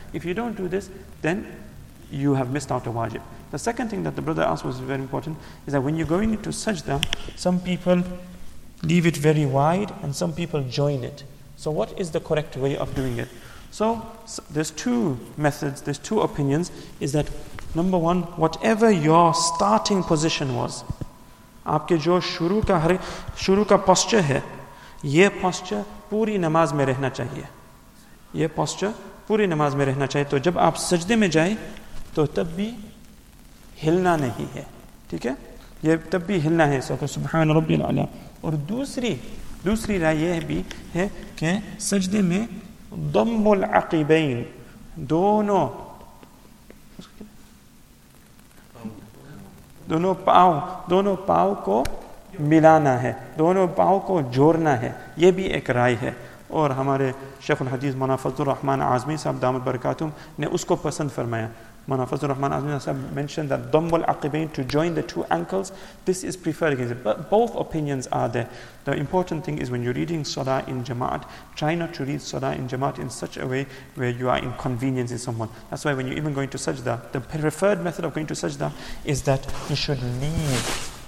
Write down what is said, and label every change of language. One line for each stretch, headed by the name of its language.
English: If you don't do this, then you have missed out a wajib. The second thing that the brother asked was very important, is that when you're going into sajda, some people leave it very wide and some people join it. So what is the correct way of doing it? So there's two methods, there's two opinions, is that number one, whatever your starting position was,
Urdu: آپ کے جو شروع کا posture ہے, یہ posture پوری نماز میں رہنا چاہیے, یہ posture پوری نماز میں رہنا چاہیے. تو جب آپ سجدے میں جائیں تو تب بھی ہلنا نہیں ہے, ٹھیک ہے, یہ تب بھی ہلنا ہے
Arabic: سبحان ربی العلیٰ.
Urdu: اور دوسری رائے یہ بھی ہے کہ سجدے میں ضم العقبین, دونوں پاؤں کو ملانا ہے, دونوں پاؤں کو جوڑنا ہے, یہ بھی ایک رائے ہے. اور ہمارے شیخ الحدیث مولانا فضل الرحمن اعظمی صاحب دامت برکاتہم نے اس کو پسند فرمایا.
English: Mawlana Fazlur Rahman Azmi mentioned that Dhammul Aqibain, to join the two ankles, this is preferred against it. But both opinions are there. The important thing is when you're reading Salah in Jama'at, try not to read Salah in Jama'at in such a way where you are inconveniencing someone. That's why when you're even going to Sajda, the preferred method of going to Sajda is that you should leave.